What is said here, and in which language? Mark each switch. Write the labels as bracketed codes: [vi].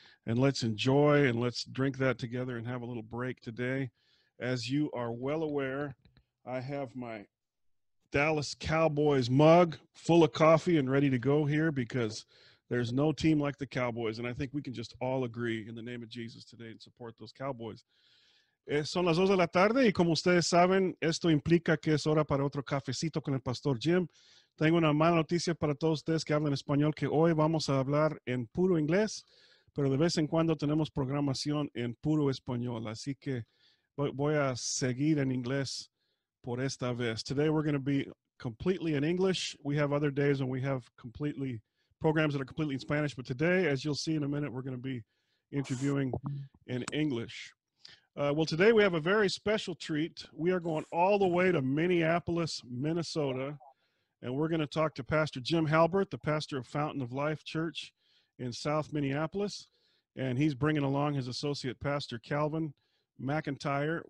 [en] And let's enjoy and let's drink that together and have a little break today. As you are well aware, I have my Dallas Cowboys mug full of coffee and ready to go here because there's no team like the Cowboys, and I think we can just all agree in the name of Jesus today and support those Cowboys. [es] Son las 2 de la tarde, y como ustedes saben, esto implica que es hora para otro cafecito con el Pastor Jim. Tengo una mala noticia para todos ustedes que hablan español, que hoy vamos a hablar en puro inglés, pero de vez en cuando tenemos programación en puro español, así que voy a seguir en inglés por esta vez. [en] Today we're going to be completely in English. We have other days when we have completely programs that are completely in Spanish, but today, as you'll see in a minute, we're going to be interviewing in English. Well, today we have a very special treat. We are going all the way to Minneapolis, Minnesota, and we're going to talk to Pastor Jim Halbur, the pastor of Fountain of Life Church in South Minneapolis, and he's bringing along his associate pastor, Calvin McIntyre.